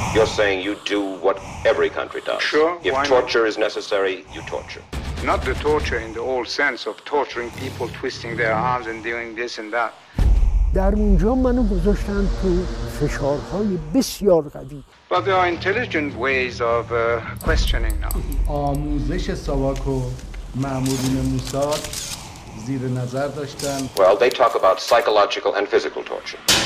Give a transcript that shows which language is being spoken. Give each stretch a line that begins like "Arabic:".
English: You're saying you do what every country does. Sure. If torture is necessary, you torture. Not the torture in the old sense of torturing people, twisting their arms and doing this and that.
Persian: در اونجا منو گذاشتن تو فشارهای بسیار قوی.
English: But there are intelligent ways of questioning now.
Persian: آموزش ساواک و مأمورین موساد زیر نظر داشتن.
English: Well, they talk about psychological and physical torture.